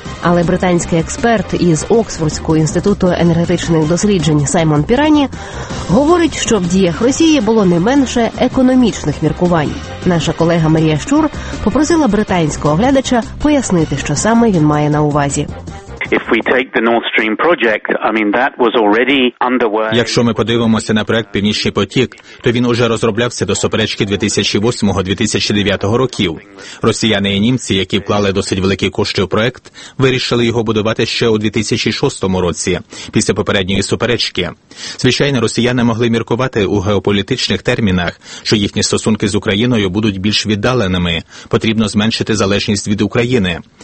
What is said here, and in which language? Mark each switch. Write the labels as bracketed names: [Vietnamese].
[Ukrainian] Але британський експерт із Оксфордського інституту енергетичних досліджень Саймон Пірані говорить, що в діях Росії було не менше економічних міркувань. Наша колега Марія Щур попросила британського глядача пояснити, що саме він має на увазі. [English] If we take the Nord Stream project, I mean that was already underway. [Ukrainian] Якщо ми подивимося на проект Північний потік, то він уже розроблявся до суперечки 2008-2009 років. Росіяни і німці, які вклали досить великі кошти у проект, вирішили його будувати ще у 2006 році, після попередньої суперечки. Звичайно, росіяни могли міркувати у геополітичних термінах, що їхні стосунки з Україною будуть більш віддаленими, потрібно зменшити залежність від України.